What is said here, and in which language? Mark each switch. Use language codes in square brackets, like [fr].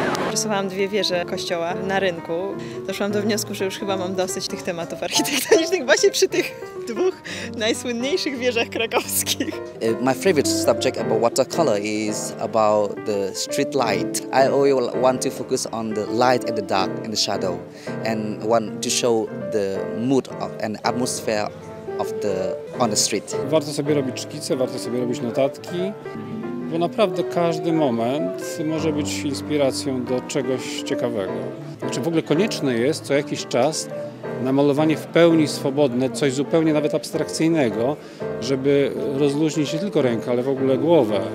[pl] Rysowałam dwie wieże kościoła na rynku. Doszłam do wniosku, że już chyba mam dosyć tych tematów architektonicznych właśnie przy tych dwóch najsłynniejszych wieżach krakowskich. [en] My favorite subject about watercolor is about the street light. I always want to focus on the light and the dark and the shadow and want to show the mood and atmosphere of the on the street. [pl] Warto sobie robić szkice, warto sobie robić notatki, bo naprawdę każdy moment może być inspiracją do czegoś ciekawego. Znaczy w ogóle konieczne jest co jakiś czas namalowanie w pełni swobodne, coś zupełnie nawet abstrakcyjnego, żeby rozluźnić nie tylko rękę, ale w ogóle głowę.